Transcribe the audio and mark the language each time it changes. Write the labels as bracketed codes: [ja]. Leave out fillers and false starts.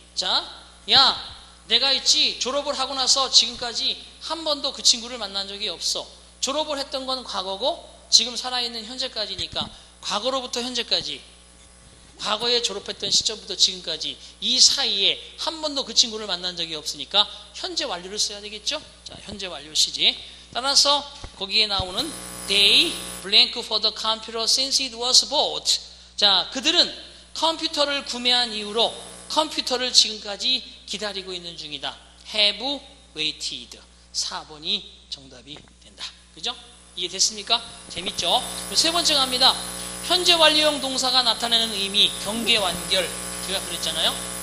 [ko] 자, 야, 내가 있지, 졸업을 하고 나서 지금까지 한 번도 그 친구를 만난 적이 없어. 졸업을 했던 건 과거고 지금 살아있는 현재까지니까 과거로부터 현재까지, 과거에 졸업했던 시점부터 지금까지 이 사이에 한 번도 그 친구를 만난 적이 없으니까 현재 완료를 써야 되겠죠? 자, 현재 완료 시제. 따라서 거기에 나오는 [en] they blank for the computer since it was bought. [ko] 자, 그들은 컴퓨터를 구매한 이후로 컴퓨터를 지금까지 기다리고 있는 중이다. [en] have waited. [ko] 4번이 정답이 된다. 그죠? 이해 됐습니까? 재밌죠? 세 번째 갑니다. 현재 완료형 동사가 나타내는 의미, 경계 완결. 제가 그랬잖아요?